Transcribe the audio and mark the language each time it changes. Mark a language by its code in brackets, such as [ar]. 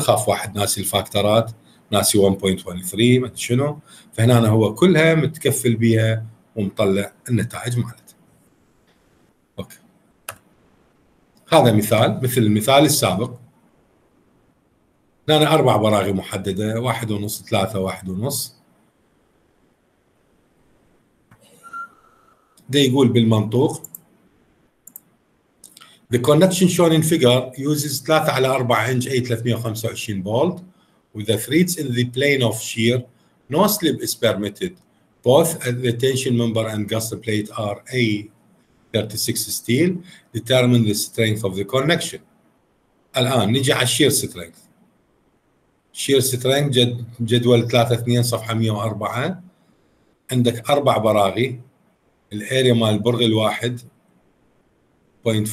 [ar] خاف واحد ناسي الفاكتورات، ناسي 1.13 ما أدري شنو، فهنا أنا هو كلها متكفل بها ومطلع النتائج مالت. أوكي، هذا مثال مثل المثال السابق، أنا أربع براغي محددة، 1.5 3 1.5. ده يقول بالمنطوق [en] the connection shown in figure uses 3/4 inch A 325 bolt with the threads in the plane of shear, no slip is permitted, both at the tension member and gusset plate are A 36 steel, determine the strength of the connection. [ar] الآن نجي على shear strength. shear strength جدول 3/2 صفحة 104، عندك أربع براغي، الاريا مال البرغي الواحد 0.4418،